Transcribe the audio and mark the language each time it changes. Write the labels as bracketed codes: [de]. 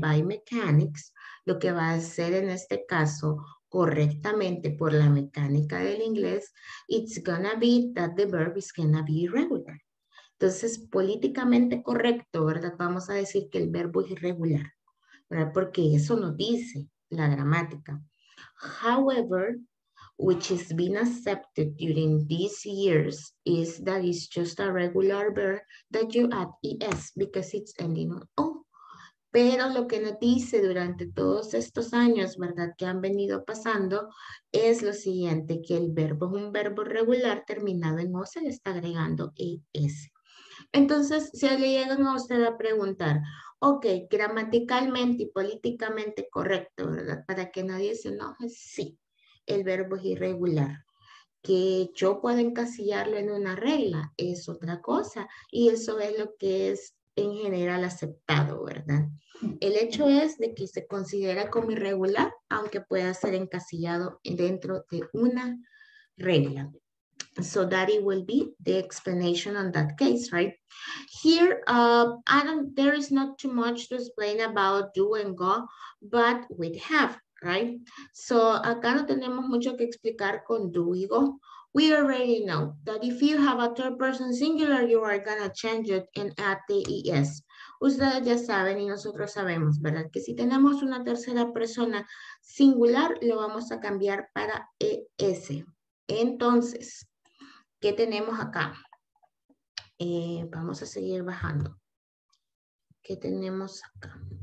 [en] By mechanics, [es] lo que va a ser en este caso correctamente por la mecánica del inglés, [en] it's gonna be that the verb is gonna be irregular. [es] Entonces, políticamente correcto, ¿verdad? Vamos a decir que el verbo es irregular, ¿verdad? Porque eso nos dice la gramática. [en] However, which has been accepted during these years is that it's just a regular verb that you add ES because it's ending on O. [es] Pero lo que nos dice durante todos estos años, ¿verdad? Que han venido pasando es lo siguiente, que el verbo es un verbo regular terminado en O, se le está agregando ES. Entonces, si le llegan a usted a preguntar, ok, gramaticalmente y políticamente correcto, ¿verdad? Para que nadie se enoje, sí, el verbo es irregular. Que yo pueda encasillarlo en una regla es otra cosa y eso es lo que es en general aceptado, ¿verdad? El hecho es de que se considera como irregular, aunque pueda ser encasillado dentro de una regla. [en] So that it will be the explanation on that case, right? Here, there is not too much to explain about do and go, but with have, right? [es] So acá no tenemos mucho que explicar con do y go. [en] We already know that if you have a third person singular, you are gonna change it and add the ES. [es] Ustedes ya saben y nosotros sabemos, ¿verdad? Que si tenemos una tercera persona singular, lo vamos a cambiar para ES. Entonces, ¿qué tenemos acá? Vamos a seguir bajando. ¿Qué tenemos acá?